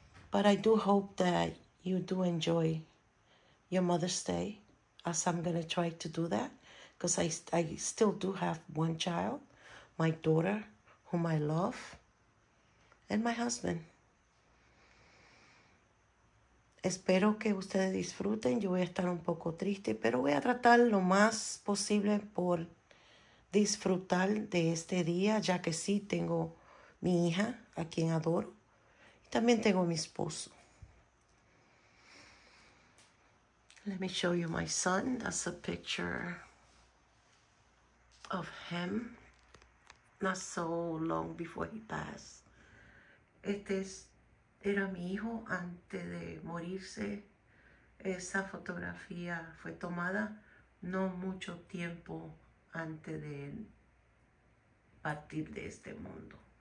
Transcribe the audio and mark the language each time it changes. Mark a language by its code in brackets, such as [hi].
[en] But I do hope that you do enjoy your Mother's Day, as I'm gonna try to do that, because I still do have one child, my daughter, whom I love, and my husband. [es] Espero que ustedes disfruten. Yo voy a estar un poco triste, pero voy a tratar lo más posible por disfrutar de este día, ya que sí tengo mi hija, a quien adoro. También tengo a mi esposo. [en] Let me show you my son. That's a picture of him not so long before he passed. [es] Este es, era mi hijo antes de morirse. Esa fotografía fue tomada no mucho tiempo antes de él partir de este mundo.